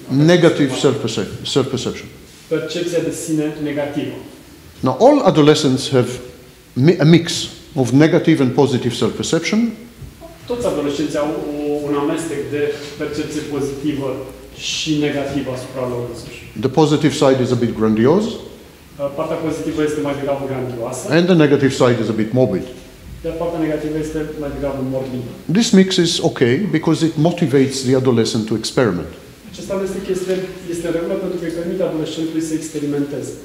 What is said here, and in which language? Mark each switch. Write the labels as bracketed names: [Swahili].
[English] Negative self-perception. [Romanian] Percepția de sine negativă. [English] Now, all adolescents have a mix of negative and positive self-perception. [Romanian] Toți adolescenții au un amestec de percepție pozitivă și negativă asupra lor însuși. [English] The positive side is a bit grandiose. [Romanian] Partea pozitivă este mai degrabă grandioasă. [English] And the negative side is a bit morbid. [Romanian] Iar partea negativă este mai degrabă morbidă. [English] This mix is okay because it motivates the adolescent to experiment. [Romanian] Acest amestec este regulat pentru că îi permite adolescentului să experimenteze.